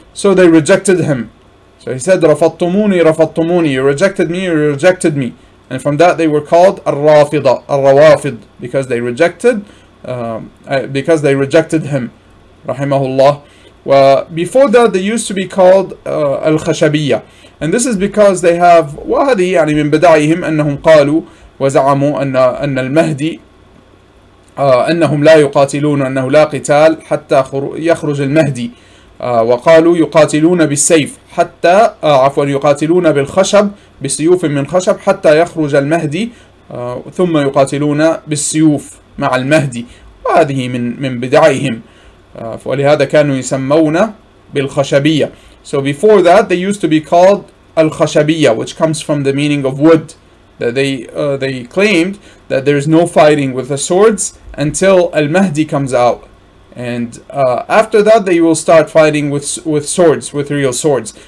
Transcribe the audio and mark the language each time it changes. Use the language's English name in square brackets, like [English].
[English] So they rejected him. So he said, [Arabic] رفضتموني رفضتموني, [English] you rejected me, you rejected me. And from that they were called الرافضة, الروافض, because they rejected him, rahimahullah. Well, before that they used to be called الخشبية. And this is because they have, [Arabic] وهذه يعني من بدعهم أنهم قالوا وزعموا أن المهدي أنهم لا يقاتلون, أنه لا قتال حتى يخرج المهدي, وقالوا يقاتلون بالسيف حتى عفوا يقاتلون بالخشب, بسيوف من خشب حتى يخرج المهدي, ثم يقاتلون بالسيوف مع المهدي, وهذه من بدعهم, ولهذا كانوا يسمون بالخشبية. [English] So before that they used to be called الخشبية, which comes from the meaning of wood. That they claimed that there is no fighting with the swords until al-Mahdi comes out, and after that they will start fighting with swords, with real swords.